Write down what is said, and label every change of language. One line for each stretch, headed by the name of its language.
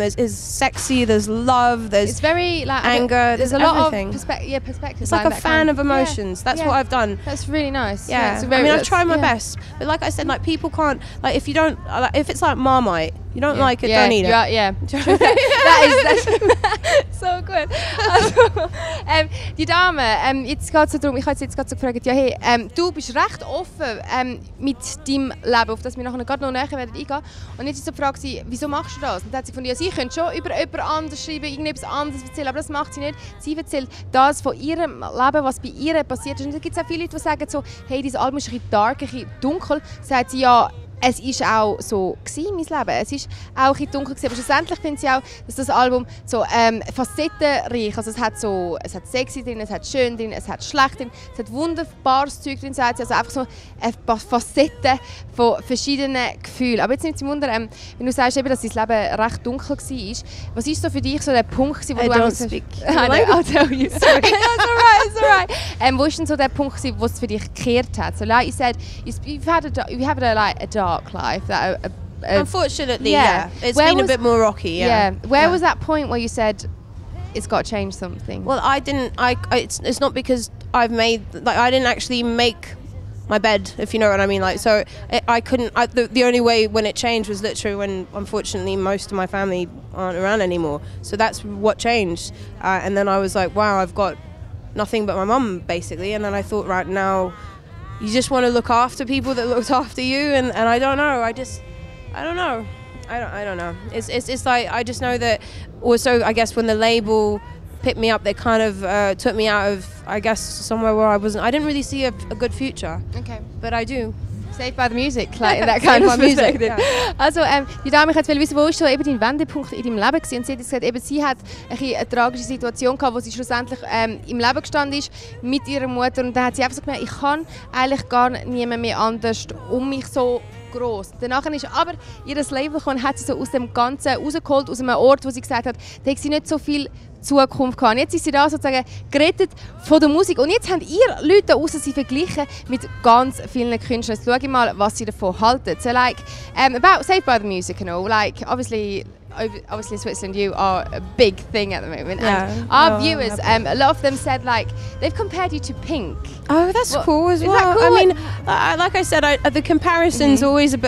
English: There's sexy, there's love, there's it's very, like, anger. There's a everything. Lot of perspective. It's like a fan kind of emotions. Yeah. That's yeah. what I've done. That's really nice. Yeah. Yeah, it's very, I mean, I've tried my yeah. best. But like I said, like, people can't, like, if you don't, like, if it's like Marmite, you don't yeah. like it, yeah. don't eat it. Yeah, yeah. That's so good.
German: Also, die Dame, jetzt geht's darum, ich habe sie jetzt gerade so gefragt, ja, hey, du bist recht offen mit deinem Leben, auf das wir nachher gerade noch näher werden eingehen. Und jetzt ist so die Frage, sie, wieso machst du das? Und da hat sie gefunden, ja, sie könnte schon über jemand anderes schreiben, irgendetwas anderes erzählen, aber das macht sie nicht. Sie erzählt das von ihrem Leben, was bei ihr passiert ist. Und da gibt es auch viele Leute, die sagen so, hey, dieses Album ist ein bisschen dark, ein bisschen dunkel. Sagt sie, ja, es war auch so gewesen, mein Leben. Es war auch etwas dunkel gewesen. Aber schlussendlich finde ich auch, dass das Album so facettenreich ist. Also es hat sexy drin, es hat schön drin, es hat schlecht drin, es hat wunderbares Zeug drin, sagt sie. Also einfach so ein paar Facetten von verschiedenen Gefühlen. Aber jetzt nimmt es mich wunder, wenn du sagst, eben, dass dein Leben recht dunkel war. Was war so für dich so der Punkt, gewesen, wo
English: I
German: du einfach. Speak.
English: I'll tell you. It's alright, it's alright.
German: Wo war denn so der Punkt, wo es für dich gekehrt hat?
English: So, like you said, we have a dark life. Unfortunately, yeah. It's been a bit more rocky. Yeah. Yeah. Where was that point where you said it's got to change something? Well, I didn't. It's not because I've made. Like, I didn't actually make my bed, if you know what I mean. Like, so the only way when it changed was literally when, unfortunately, most of my family aren't around anymore. So that's what changed. And then I was like, wow, I've got nothing but my mum, basically. And then I thought, right now, you just want to look after people that looked after you. And I don't know. I don't know. It's like, I just know that also, I guess, when the label picked me up, they kind of took me out of, I guess, somewhere where I didn't really see a good future. Okay. But I do. Saved by the music, like in that kind of music. Yeah.
German: Also, die Dame, ich wollte wissen, wo ist so eben dein Wendepunkt in deinem Leben gewesen? Und sie hat gesagt, eben, sie hat eine tragische Situation gehabt, wo sie schlussendlich im Leben gestanden ist mit ihrer Mutter. Und dann hat sie einfach so gemerkt, ich kann eigentlich gar niemand mehr anders um mich so gross. Danach ist aber ihr Label gekommen, hat sie so aus dem Ganzen rausgeholt, aus einem Ort, wo sie gesagt hat, da hätte sie nicht so viel Zukunft gehabt. Jetzt ist sie da sozusagen gerettet von der Musik. Und jetzt habt ihr Leute da draussen sie verglichen mit ganz vielen Künstlern. Jetzt schaue ich mal, was sie davon halten.
English: So, like, about Saved by the Music and all, like, obviously Switzerland, you are a big thing at the moment. Yeah. And our viewers, a lot of them said, like, they've compared you to Pink. Oh, that's cool as well. Is that cool? I mean, like I said, the comparison's always a bit